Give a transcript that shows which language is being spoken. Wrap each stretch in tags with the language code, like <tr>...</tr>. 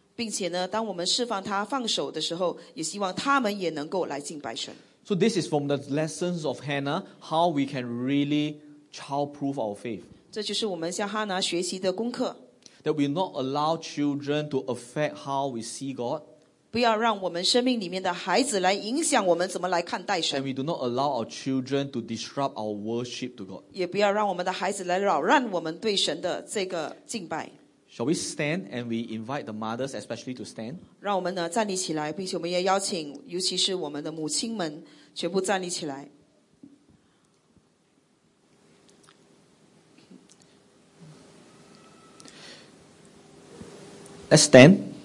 <zh>并且呢, 当我们释放他, 放手的时候, 也希望他们也能够来敬拜神。</zh> <en>So this is from the lessons of Hannah, how we can really childproof our faith.</en> <zh>这就是我们向哈拿学习的功课。</zh> <en>That we not allow children to affect how we see God.</en> <zh>不要让我们生命里面的孩子来影响我们怎么来看待神。</zh> <en>And we do not allow our children to disrupt our worship to God.</en> <zh>也不要让我们的孩子来扰乱我们对神的这个敬拜。</zh> <en>Shall we stand and we invite the mothers especially to stand?</en> <zh>让我们呢站立起来，并且我们也邀请，尤其是我们的母亲们，全部站立起来。</zh> <en>Let's stand.</en>